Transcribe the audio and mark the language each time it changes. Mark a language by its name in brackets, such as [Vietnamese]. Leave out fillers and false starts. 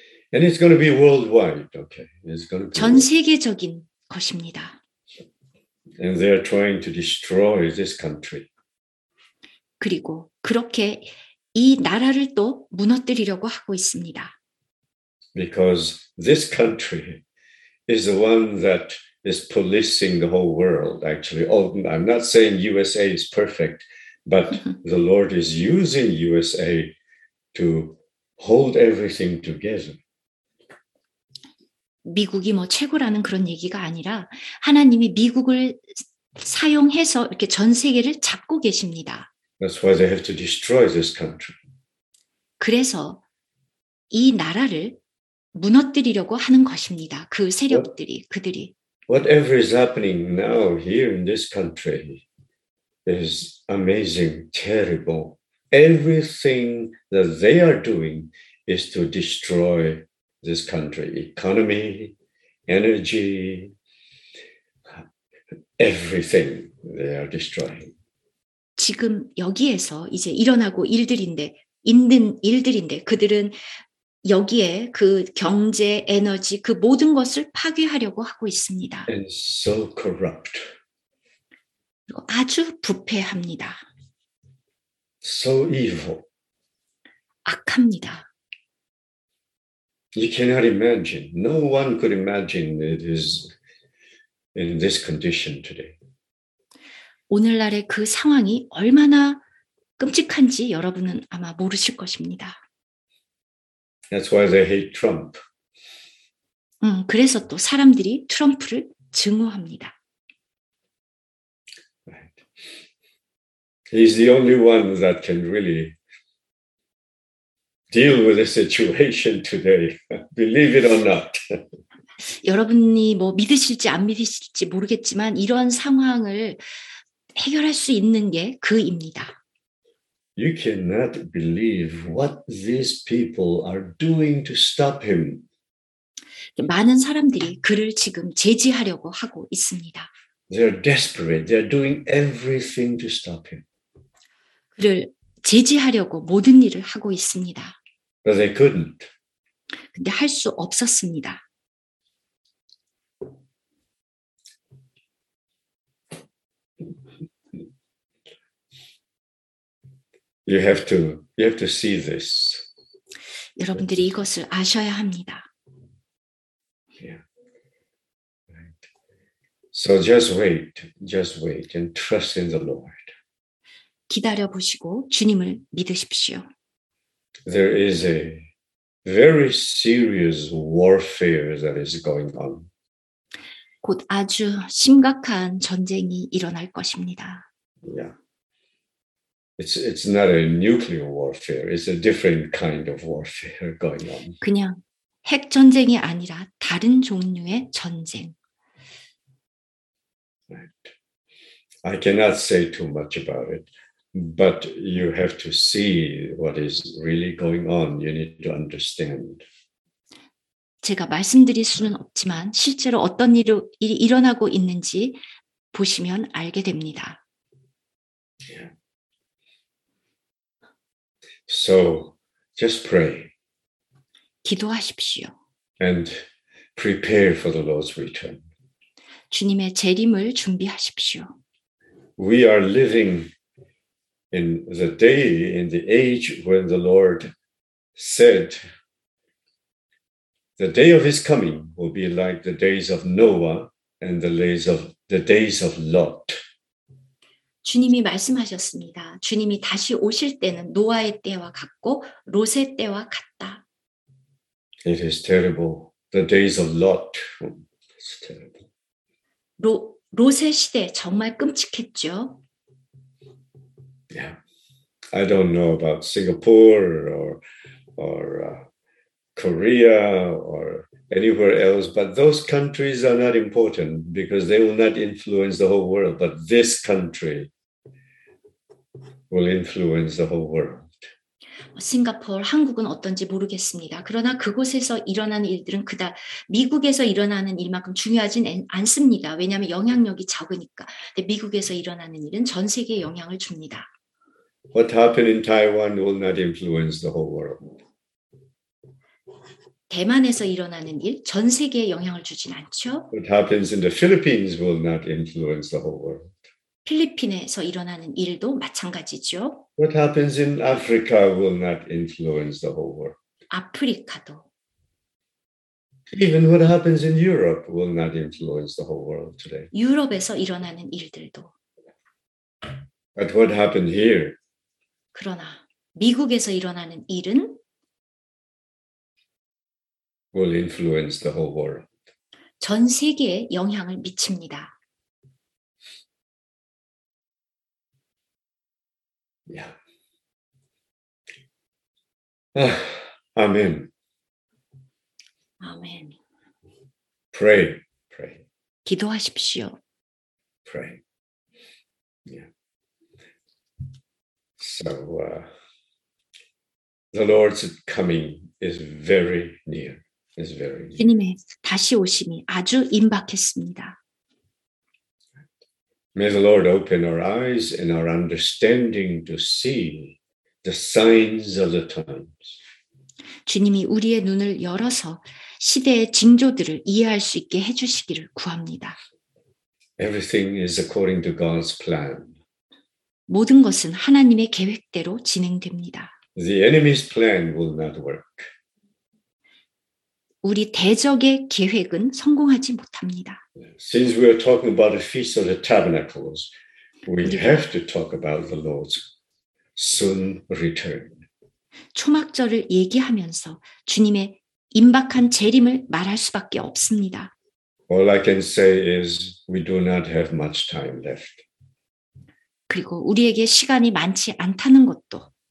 [English] And it's going to be worldwide, okay? It's going to be [Korean] 전 세계적인 worldwide. 것입니다. [English] And they're trying to destroy this country. [Korean] 그리고 그렇게 이 나라를 또 무너뜨리려고 하고 있습니다. [English] Because this country is the one that is policing the whole world, actually. Oh, I'm not saying USA is perfect, but the Lord is using USA to hold everything together. [Korean] 미국이 뭐 최고라는 그런 얘기가 아니라 하나님이 미국을 사용해서 이렇게 전 세계를 잡고 계십니다. [English] That's why they have to destroy this country. [Korean] 그래서 이 나라를 무너뜨리려고 하는 것입니다. 그 세력들이, [English] What? [Korean] 그들이. [English] Whatever is happening now here in this country is amazing, terrible. Everything that they are doing is to destroy this country. Economy, energy, everything they are destroying. [Korean] 지금 여기에서 이제 일어나고 일들인데, 있는 일들인데 그들은 여기에 그 경제, 에너지, 그 모든 것을 파괴하려고 하고 있습니다. [English] And so corrupt. [Korean] 그리고 아주 부패합니다. [English] So evil. [Korean] 악합니다. [English] You cannot imagine. No one could imagine it is in this condition today. [Korean] 오늘날의 그 상황이 얼마나 끔찍한지 여러분은 아마 모르실 것입니다. [English] That's why they hate Trump. [Korean] 그래서 또 사람들이 트럼프를 증오합니다. [English] Right. He's the only one that can really deal with the situation today, believe it or not. [Korean] 여러분이 뭐 믿으실지 안 믿으실지 모르겠지만 이런 상황을 해결할 수 있는 게 그입니다. [English] You cannot believe what these people are doing to stop him. [Korean] 많은 사람들이 그를 지금 제지하려고 하고 있습니다. [English] They're desperate. They're doing everything to stop him. [Korean] 그를 제지하려고 모든 일을 하고 있습니다. [English] But they couldn't. [Korean] 근데 할 수 없었습니다. [English] You have to see this. [Korean] 여러분들이 이것을 아셔야 합니다. [English] So just wait and trust in the Lord. [Korean] 기다려 보시고 주님을 믿으십시오. [English] There is a very serious warfare that is going on. [Korean] 곧 아주 심각한 전쟁이 일어날 것입니다. [English] Yeah. It's not a nuclear warfare. It's a different kind of warfare going on. [Korean] 그냥 핵 전쟁이 아니라 다른 종류의 전쟁. [English] I cannot say too much about it, but you have to see what is really going on. You need to understand. [Korean] 제가 말씀드릴 수는 없지만 실제로 어떤 일이 일어나고 있는지 보시면 알게 됩니다. [English] So just pray. [Korean] 기도하십시오. [English] And prepare for the Lord's return. [Korean] 주님의 재림을 준비하십시오. [English] We are living in the day, in the age when the Lord said, the day of his coming will be like the days of Noah and the days of Lot. [Korean] 주님이 말씀하셨습니다. 주님이 다시 오실 때는 노아의 때와 같고 롯의 때와 같다. [English] It is terrible. The days of Lot. It's terrible. [Korean] 롯의 시대 정말 끔찍했죠. [English] Yeah. I don't know about Singapore or Korea or anywhere else, but those countries are not important because they will not influence the whole world, but this country will influence the whole world. [Korean] 싱가포르, 한국은 어떤지 모르겠습니다. 그러나 그곳에서 일어나는 일들은 그다 미국에서 일어나는 일만큼 중요하진 않습니다. 왜냐하면 영향력이 작으니까. 근데 미국에서 일어나는 일은 전 세계에 영향을 줍니다. [English] What happened in Taiwan will not influence the whole world. [Korean] 대만에서 일어나는 일 전 세계에 영향을 주진 않죠. [English] What happens in the Philippines will not influence the whole world. [Korean] 필리핀에서 일어나는 일도 마찬가지죠. [English] What happens in Africa will not influence the whole world. [Korean] 아프리카도. [English] Even what happens in Europe will not influence the whole world today. [Korean] 유럽에서 일어나는 일들도. [English] But what happened here? [Korean] 그러나 미국에서 일어나는 일은 [English] will influence the whole world. [Korean] 전 세계에 영향을 미칩니다. [English] Yeah. Amen. Amen. Pray. [Korean] 기도하십시오. [English] Pray. Yeah. So, the Lord's coming is very near. Is very near. [Korean] 주님의 다시 오심이 아주 임박했습니다. [English] May the Lord open our eyes and our understanding to see the signs of the times. [Korean] 주님이 우리의 눈을 열어서 시대의 징조들을 이해할 수 있게 해 주시기를 구합니다. [English] Everything is according to God's plan. [Korean] 모든 것은 하나님의 계획대로 진행됩니다. [English] The enemy's plan will not work. [Korean] 우리 대적의 계획은 성공하지 못합니다. [English] Since we are talking about the Feast of the Tabernacles, we have to talk about the Lord's soon return. [Korean] 초막절을 얘기하면서 주님의 임박한 재림을 말할 수밖에 없습니다. [English] All I can say is we do not have much time left. [Korean] 그리고 우리에게 시간이 많지 않다는 것도.